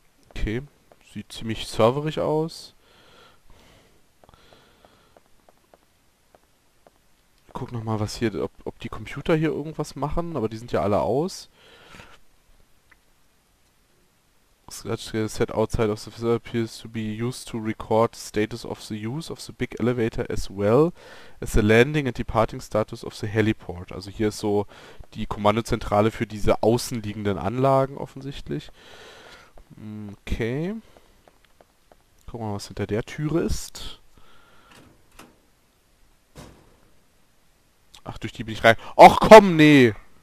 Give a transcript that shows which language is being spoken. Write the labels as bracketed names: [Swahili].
[German] Okay. Sieht ziemlich serverig aus. Ich guck nochmal, was hier, ob die Computer hier irgendwas machen, aber die sind ja alle aus. Es [English] such a set outside of the facility appears to be used to record status of the use of the big elevator as well as the landing and departing status of the heliport. [German] Also hier ist so die Kommandozentrale für diese außenliegenden Anlagen offensichtlich. Okay. Gucken wir mal, was hinter der Türe ist. Ach, durch die bin ich rein. Och, komm, nee!